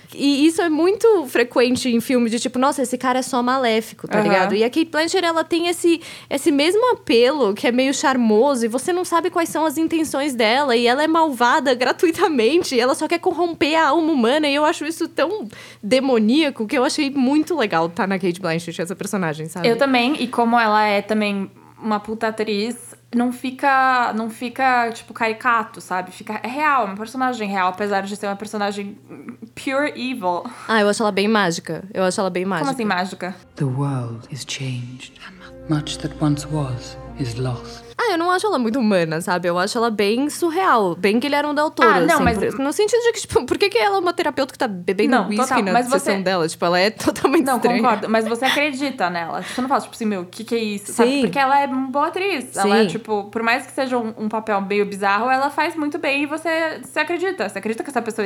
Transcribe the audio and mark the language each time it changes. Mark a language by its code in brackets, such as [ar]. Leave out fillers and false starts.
[pt] E isso é muito frequente em filme, de tipo, nossa, esse cara é só maléfico, tá ligado? E a Kate Blanchett, ela tem esse mesmo apelo, que é meio charmoso, e você não sabe quais são as intenções dela, e ela é malvada gratuitamente, e ela só quer corromper a alma humana, e eu acho isso tão demoníaco, que eu achei muito legal estar na Kate Blanchett, essa personagem, sabe? Eu também, e como ela é também uma puta atriz... Não fica, tipo, caricato, sabe? Fica, é real, é uma personagem real, apesar de ser uma personagem pure evil. Ah, eu acho ela bem mágica. Eu acho ela bem mágica. Como assim, mágica? [en] The world is changed. Much that once was is lost. [pt] Ah, eu não acho ela muito humana, sabe? Eu acho ela bem surreal, bem Guilherme Del Toro. Ah, não, assim, mas... No sentido de que, tipo, por que, que ela é uma terapeuta que tá bebendo uísque na sessão você... dela? Tipo, ela é totalmente não, estranha. Não, concordo, mas você acredita nela. Você não fala, tipo assim, meu, o que que é isso? Sim. Sabe? Porque ela é uma boa atriz. Sim. Ela é, tipo, por mais que seja um papel meio bizarro, ela faz muito bem e você acredita. Você acredita que essa pessoa